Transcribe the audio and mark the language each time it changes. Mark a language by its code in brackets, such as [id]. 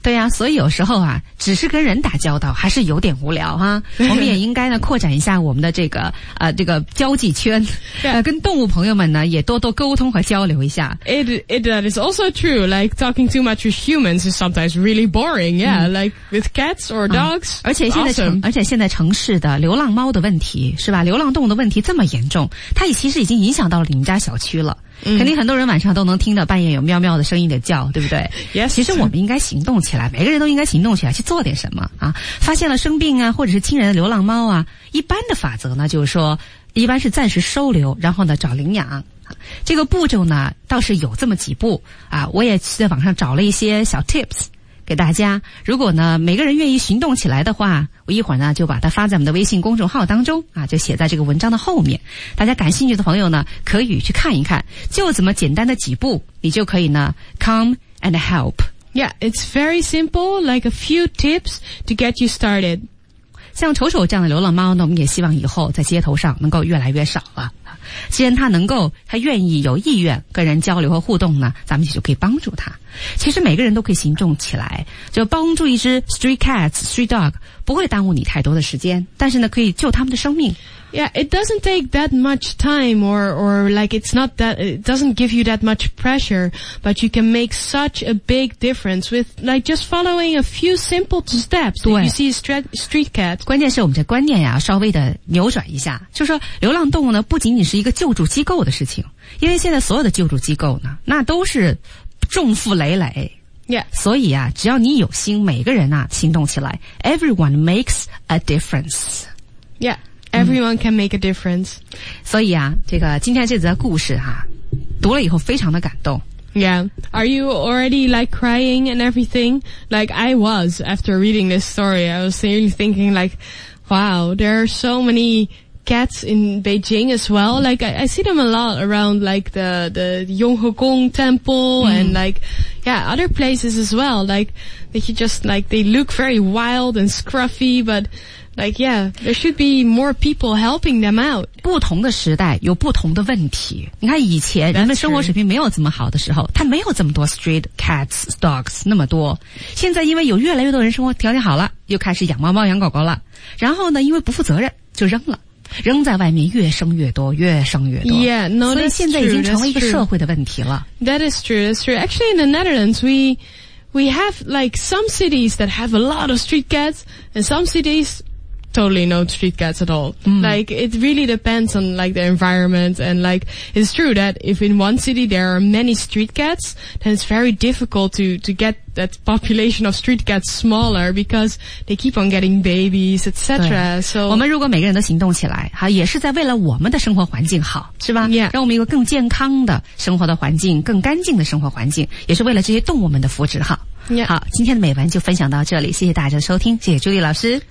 [zh] 对呀、啊、所以有时候啊，只是跟人打交道还是有点无聊哈。我们也应该呢扩展一下我们的这个这个交际圈、 [en] yeah. [zh] 跟动物朋友们呢也多多沟通和交流一下。 [en] That is also true. Like, talking too much with humans is sometimes really boring. Yeah,、mm. like, with cats or dogs.、 [zh] 嗯、而且现在、 [en] awesome. [zh] 而且现在城市的流浪猫的问题是吧，流浪动物的问题这么严重，它也其实已经影响到了你们家小区了。肯定很多人晚上都能听到半夜有喵喵的声音的叫，对不对？ Yes, 其实我们应该行动起来，每个人都应该行动起来去做点什么啊！发现了生病啊，或者是亲人的流浪猫啊，一般的法则呢，就是说，一般是暂时收留，然后呢找领养。这个步骤呢，倒是有这么几步啊，我也在网上找了一些小 tips 给大家。如果呢每个人愿意行动起来的话，我一会儿呢就把它发在我们的微信公众号当中啊，就写在这个文章的后面，大家感兴趣的朋友呢可以去看一看，就这么简单的几步，你就可以呢 [en] come and help. Yeah, it's very simple, like a few tips to get you started. [zh] 像丑丑这样的流浪猫呢，我们也希望以后在街头上能够越来越少了，既然它能够，它愿意有意愿跟人交流和互动呢，咱们也就可以帮助它。其实每个人都可以行动起来，就帮助一只 [en] street cats, street dog, [zh] 不会耽误你太多的时间，但是呢可以救他们的生命。 [en] Yeah, it doesn't take that much time or like it's not that, it doesn't give you that much pressure, but you can make such a big difference with like just following a few simple steps. [zh] 对。 [en] If you see a street cat. [zh] 关键是我们的观念呀稍微的扭转一下。就是说流浪动物呢不仅仅是一个救助机构的事情，因为现在所有的救助机构呢那都是重负累累。 [en] Yeah. [zh] 所以啊只要你有心，每个人啊行动起来。 [en] Everyone makes a difference. Yeah. Everyone can make a difference.、嗯、 [zh] 所以啊这个今天这则故事啊读了以后非常的感动。 [en] Yeah. Are you already like crying and everything? Like I was after reading this story. I was really thinking like, wow, there are so many cats in Beijing as well. Like, I see them a lot around, like, the Yonghekong Temple and, like, yeah, other places as well. Like, they just, like, they look very wild and scruffy, but, like, yeah, there should be more people helping them out. [zh] 不同的时代有不同的问题。你看以前人们生活水平没有这么好的时候，他没有这么多 [en] street cats, dogs, [zh] 那么多。现在因为有越来越多人生活条件好了，又开始养猫猫养狗狗了。然后呢，因为不负责任就扔了。扔在外面越生越多，越生越多。 [en] Yeah, no, that's true. [zh] 所以现在已经成为一个社会的问题了。 [en] That is true, that's true. Actually, in the Netherlands, we have like some cities that have a lot of street cats, and some cities totally no street cats at all. Like, it really depends on like the environment, and like, it's true that if in one city there are many street cats, then it's very difficult to get that population of street cats smaller because they keep on getting babies, etc. So, [zh] 我们如果每个人都行动起来，好，也是在为了我们的生活环境好，是吧？ [en] Yeah. [zh] 让我们一个更健康的生活的环境，更干净的生活环境，也是为了这些动物们的福祉好。 [en] Yeah. [zh] 好，今天的美文就分享到这里，谢谢大家的收听，谢谢朱莉老师。